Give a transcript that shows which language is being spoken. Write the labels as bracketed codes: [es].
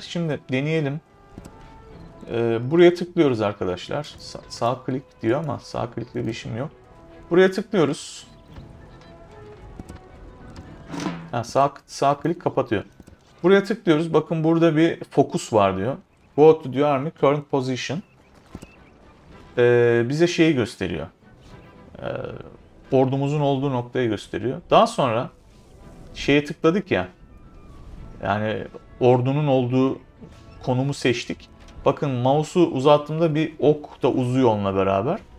[tr] Şimdi deneyelim. Buraya tıklıyoruz arkadaşlar. Sağ klik diyor ama sağ klikle bir işim yok. Buraya tıklıyoruz. Ha, sağ klik kapatıyor. Buraya tıklıyoruz. Bakın burada bir focus var diyor. [en] Go to the army current position. [tr] Bize şeyi gösteriyor. Ordumuzun olduğu noktayı gösteriyor. Daha sonra şeye tıkladık ya. Yani ordunun olduğu konumu seçtik. Bakın mouse'u uzattığımda bir ok da uzuyor onunla beraber.